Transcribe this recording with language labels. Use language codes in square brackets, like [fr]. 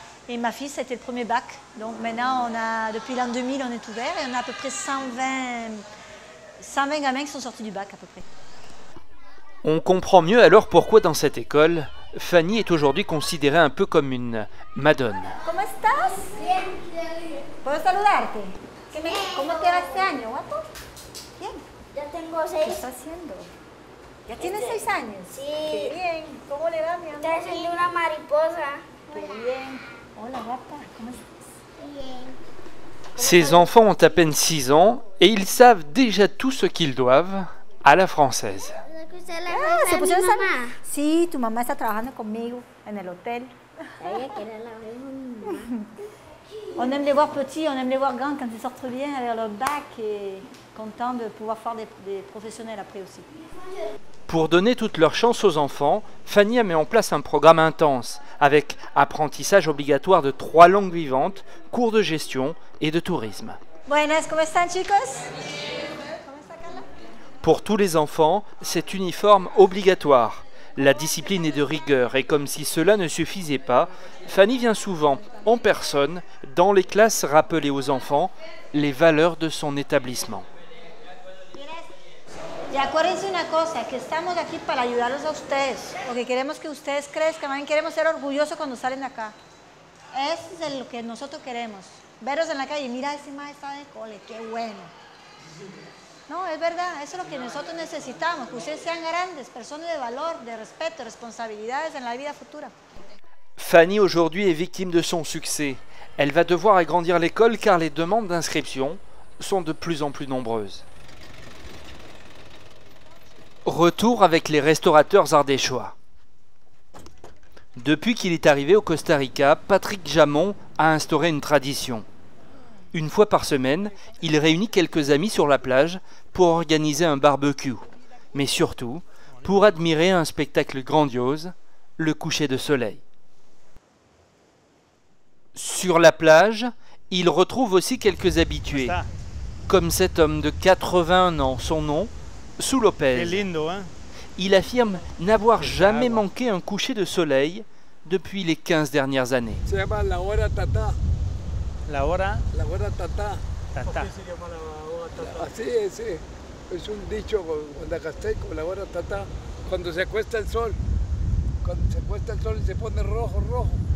[fr] Et ma fille, c'était le premier bac. Donc maintenant, depuis l'an 2000, on est ouvert et on a à peu près 120 gamins qui sont sortis du bac à peu près. On comprend mieux alors pourquoi dans cette école, Fanny est aujourd'hui considérée un peu comme une madone. [es] Comment estás? Bien. Puedo saludarte? Bien. ¿Cómo te va este año, guapo? Bien. Ya tengo 6. ¿Qué está haciendo? ¿Ya tienes 6 años? Sí. Qué bien. ¿Cómo le va, mi amor? Está haciendo una mariposa. Qué bien. Hola, guapa. ¿Cómo estás? [fr] Ces enfants ont à peine 6 ans et ils savent déjà tout ce qu'ils doivent à la française. Ah, c'est possible, maman. [es] Si, tu maman está trabajando conmigo en el hotel. [fr] On aime les voir petits, on aime les voir grands quand ils sortent bien avec leur bac et contents de pouvoir faire des professionnels après aussi. Pour donner toute leur chance aux enfants, Fanny a mis en place un programme intense avec apprentissage obligatoire de 3 langues vivantes, cours de gestion et de tourisme. [es] Buenas, ¿cómo están, chicos? [fr] Pour tous les enfants, c'est uniforme obligatoire. La discipline est de rigueur et comme si cela ne suffisait pas, Fanny vient souvent, en personne, dans les classes rappeler aux enfants les valeurs de son établissement. [es] Y acuérdense una cosa, que estamos aquí para ayudarlos a ustedes, porque queremos que ustedes crezcan, también queremos ser orgullosos cuando salen de acá. Eso es lo que nosotros queremos, verlos en la calle, mira ese maestro de cole, qué bueno. No, es verdad, eso es lo que nosotros necesitamos, que ustedes sean grandes, personas de valor, de respeto, responsabilidades en la vida futura. [fr] Fanny aujourd'hui est victime de son succès. Elle va devoir agrandir l'école car les demandes d'inscription sont de plus en plus nombreuses. Retour avec les restaurateurs ardéchois. Depuis qu'il est arrivé au Costa Rica, Patrick Jamon a instauré une tradition. Une fois par semaine, il réunit quelques amis sur la plage pour organiser un barbecue, mais surtout pour admirer un spectacle grandiose, le coucher de soleil. Sur la plage, il retrouve aussi quelques habitués, comme cet homme de 81 ans, son nom Sous Lopez. C'est lindo, hein? Il affirme n'avoir jamais manqué un coucher de soleil depuis les 15 dernières années. [es] Se llama la hora tata. La hora? La hora tata. Tata. ¿Por qué se llama la hora tata? Así es, sí. Es un dicho guanacasteco, la hora tata. Cuando se acuesta el sol. Cuando se acuesta el sol y se pone rojo, rojo.